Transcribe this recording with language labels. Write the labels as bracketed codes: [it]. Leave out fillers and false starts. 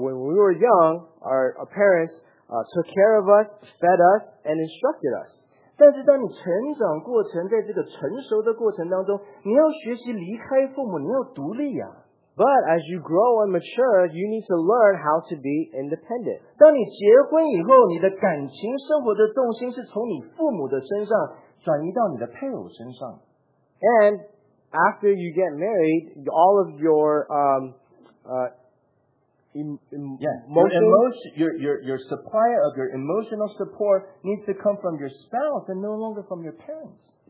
[en] when we were young, our parents took care of us, fed us, and instructed us. [zh] 但是当你成长过程,在这个成熟的过程当中,你要学习离开父母,你要独立啊。 [en] But as you grow and mature, you need to learn how to be independent. [zh] 当你结婚以后,你的感情生活的重心是从你父母的身上转移到你的配偶身上。 [en] And after you get married, all of your your supply of your emotional support needs to come from your spouse and no longer from your parents.